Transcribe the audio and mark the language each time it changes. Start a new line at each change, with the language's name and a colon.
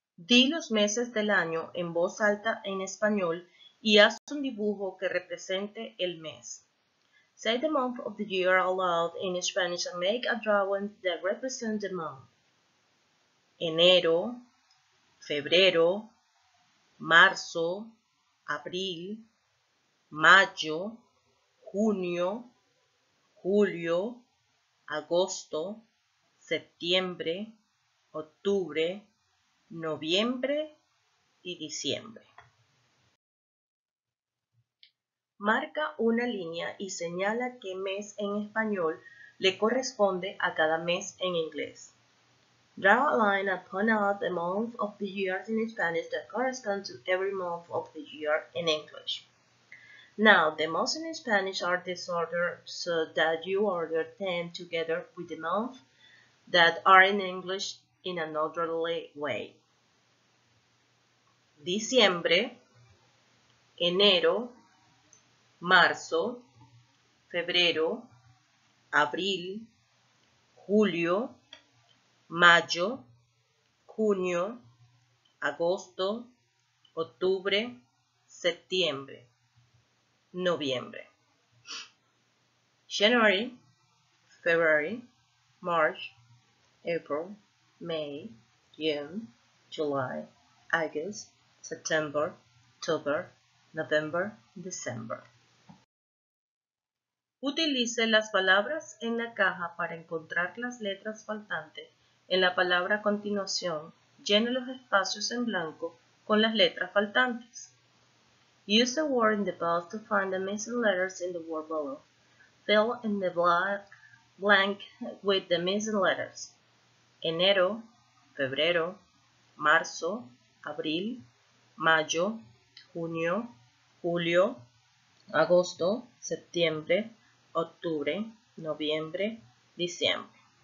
Spanish: Di los meses del año en voz alta en español y haz un dibujo que represente el mes.
English: Say the month of the year aloud in Spanish and make a drawing that represents the month.
Spanish: Enero, febrero, marzo, abril, mayo, junio, julio, agosto, septiembre, octubre, noviembre y diciembre. Marca una línea y señala qué mes en español le corresponde a cada mes en inglés.
English: Draw a line and point out the month of the year in Spanish that corresponds to every month of the year in English. Now, the months in Spanish are disordered so that you order them together with the months that are in English in an orderly way.
Spanish: Diciembre, enero, marzo, febrero, abril, julio, mayo, junio, agosto, octubre, septiembre, noviembre.
English: January, February, March, April, May, June, July, August, September, October, November, December.
Spanish: Utilice las palabras en la caja para encontrar las letras faltantes. En la palabra a continuación, llene los espacios en blanco con las letras faltantes.
English: Use the word in the box to find the missing letters in the word below. Fill in the blank with the missing letters.
Spanish: Enero, febrero, marzo, abril, mayo, junio, julio, agosto, septiembre, octubre, noviembre, diciembre.